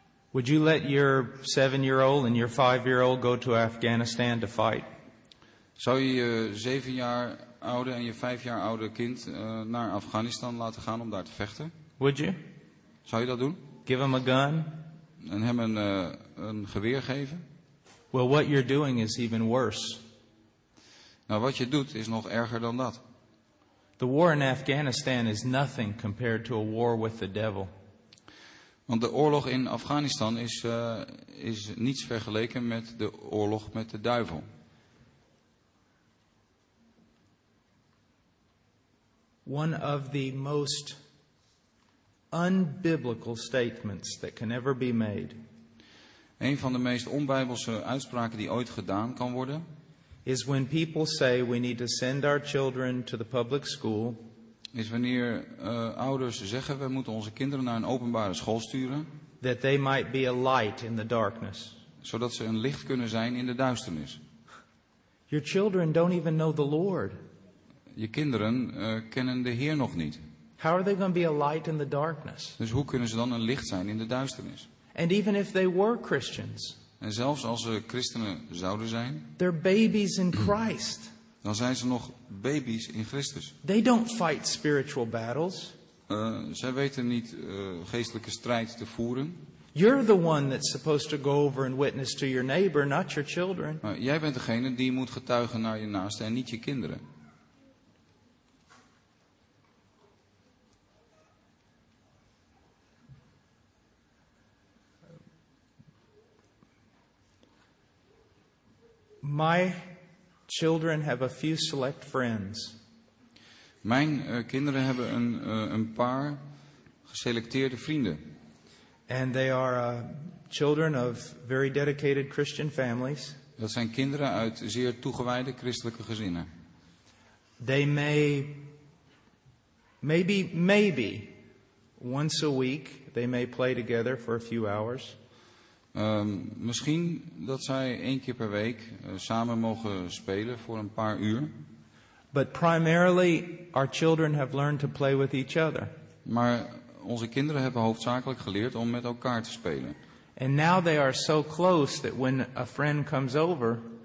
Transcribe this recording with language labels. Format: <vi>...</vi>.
<en>Would you let your 7-year-old and your 5-year-old go to Afghanistan to fight?</en> <nl>Zou je je 7-jaar oude en je 5-jaar oude kind naar Afghanistan laten gaan om daar te vechten?</nl> <en>Would you?</en> <nl>Zou je dat doen?</nl> <en>Give him a gun?</en> <nl>En hem een geweer geven?</nl> <en>Well, what you're doing is even worse.</en> <nl>Nou, wat je doet is nog erger dan dat.</nl> <en>The war in Afghanistan is nothing compared to a war with the devil.</en> <nl>Want de oorlog in Afghanistan is niets vergeleken met de oorlog met de duivel.</nl> <en>One of the most unbiblical statements that can ever be made.</en> <nl>Een van de meest onbijbelse uitspraken die ooit gedaan kan worden.</nl> <en>Is when people say we need to send our children to the public school.</en> <nl>Is wanneer ouders zeggen we moeten onze kinderen naar een openbare school sturen.</nl> <en>That they might be a light in the darkness.</en> <nl>Zodat ze een licht kunnen zijn in de duisternis.</nl> <en>Your children don't even know the Lord.</en> <nl>Je kinderen kennen de Heer nog niet.</nl> <en>How are they going to be a light in the darkness?</en> <nl>Dus hoe kunnen ze dan een licht zijn in de duisternis?</nl> <en>And even if they were Christians.</en> <nl>En zelfs als ze christenen zouden zijn.</nl> <en>They're babies in Christ.</en> <nl>Dan zijn ze nog baby's in Christus.</nl> <en>They don't fight spiritual battles.</en> <nl>Zij weten niet geestelijke strijd te voeren.</nl> <en>You're the one that's supposed to go over and witness to your neighbor, not your children.</en> <nl>Maar jij bent degene die moet getuigen naar je naaste en niet je kinderen.</nl> <en>My children have a few select friends.</en> <nl>Mijn kinderen hebben een paar geselecteerde vrienden.</nl> <en>And they are children of very dedicated Christian families.</en> <nl>Dat zijn kinderen uit zeer toegewijde christelijke gezinnen.</nl> <en>They may maybe once a week they may play together for a few hours.</en> <nl>Misschien dat zij één keer per week samen mogen spelen voor een paar uur.</nl> <en>But primarily our children have learned to play with each other.</en> <nl>Maar onze kinderen hebben hoofdzakelijk geleerd om met elkaar te spelen.</nl> <en>And now they are so close that when a friend comes over.</en>